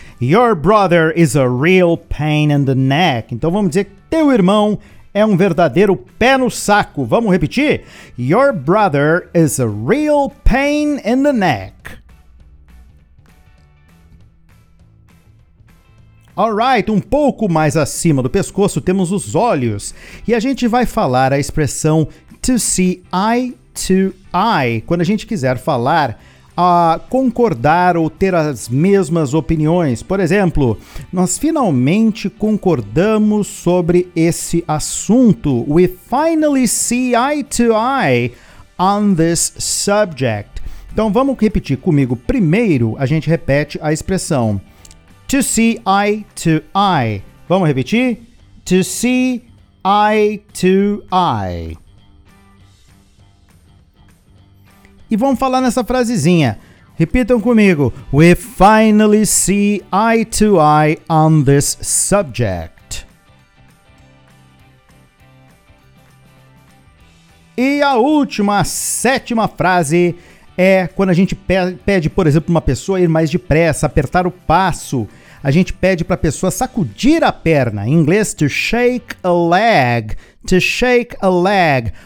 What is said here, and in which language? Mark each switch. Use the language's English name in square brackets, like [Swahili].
[English] Your brother is a real pain in the neck. [Portuguese] Então vamos dizer que teu irmão é um verdadeiro pé no saco. Vamos repetir? [English] Your brother is a real pain in the neck. [Portuguese] Alright, um pouco mais acima do pescoço temos os olhos. E a gente vai falar a expressão [English] to see eye to eye. [Portuguese] Quando a gente quiser falar a concordar ou ter as mesmas opiniões. Por exemplo, nós finalmente concordamos sobre esse assunto. [English] We finally see eye to eye on this subject. [Portuguese] Então vamos repetir comigo. Primeiro, a gente repete a expressão [English] to see eye to eye. [Portuguese] Vamos repetir? [English] To see eye to eye. [Portuguese] E vamos falar nessa frasezinha. Repitam comigo. [English] We finally see eye to eye on this subject. [Portuguese] E a última, a sétima frase é quando a gente pede, por exemplo, uma pessoa ir mais depressa, apertar o passo. A gente pede para a pessoa sacudir a perna. Em inglês, [English] to shake a leg. To shake a leg.